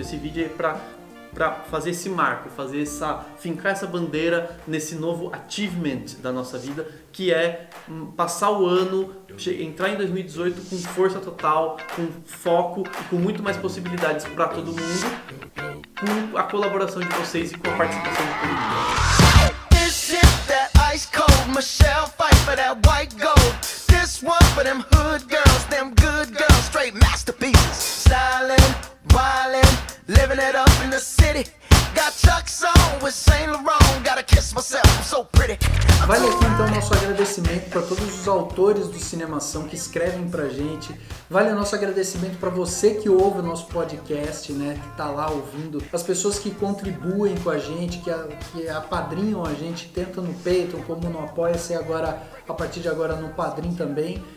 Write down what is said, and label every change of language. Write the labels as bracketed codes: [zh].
[pt] Esse vídeo é pra fazer esse marco, fincar essa bandeira nesse novo achievement da nossa vida, que é passar o ano, entrar em 2018 com força total, com foco e com muito mais possibilidades para todo mundo, com a colaboração de vocês e com a participação de todo mundo. [en] This is that ice cold Michelle, fight for that white gold. This one for them hood girls, them good girls, straight masterpieces. Stylin', wildin', living it up in the city. Got chucks on with Saint Laurent, gotta kiss myself, I'm so pretty. [pt] Vale aqui então nosso agradecimento para todos os autores do Cinemação que escrevem pra gente. Vale o nosso agradecimento para você que ouve o nosso podcast, né, que tá lá ouvindo. As pessoas que contribuem com a gente, que apadrinham a gente, tanto no Patreon como no Apoia-se, agora, a partir de agora, no Padrim também.